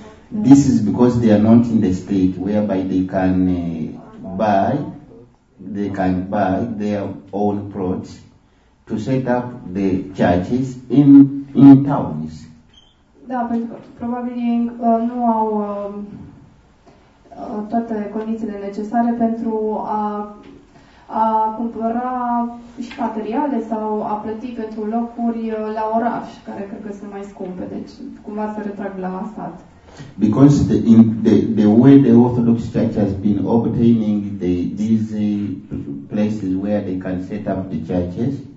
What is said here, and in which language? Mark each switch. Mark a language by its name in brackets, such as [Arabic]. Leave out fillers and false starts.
[English] This is because they are not in the state whereby they can buy their own plots to set up the churches in towns. [Romanian] Da, pentru că probabil nu au toate condițiile necesare pentru a cumpăra și materiale sau a plăti pentru locuri la oraș, care cred că sunt mai scumpe, deci cumva se retrag la sat. [English] Because the way the Orthodox Church has been obtaining these places where they can set up the churches,